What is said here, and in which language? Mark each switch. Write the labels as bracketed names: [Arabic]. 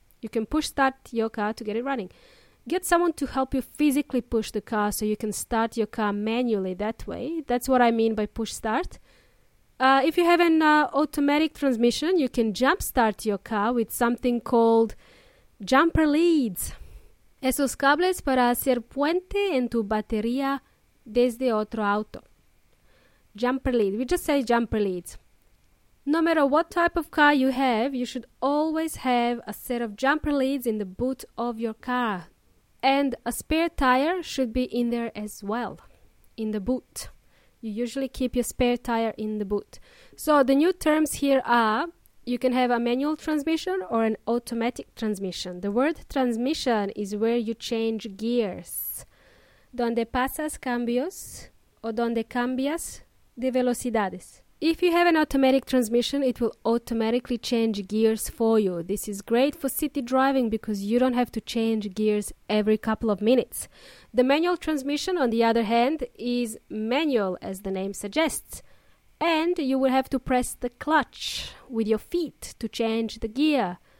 [English] You can push start your car to get it running. Get someone to help you physically push the car so you can start your car manually that way. That's what I mean by push start. If you have an automatic transmission, you can jump start your car with something called jumper leads. [Spanish] Esos cables para hacer puente en tu batería desde otro auto. [English] Jumper lead. We just say jumper leads. No matter what type of car you have, you should always have a set of jumper leads in the boot of your car. And a spare tire should be in there as well. In the boot. You usually keep your spare tire in the boot. So the new terms here are, you can have a manual transmission or an automatic transmission. The word transmission is where you change gears. [Spanish] Donde pasas cambios o donde cambias de velocidades. [English] If you have an automatic transmission, it will automatically change gears for you. This is great for city driving because you don't have to change gears every couple of minutes. The manual transmission, on the other hand, is manual, as the name suggests. And you will have to press the clutch with your feet to change the gear.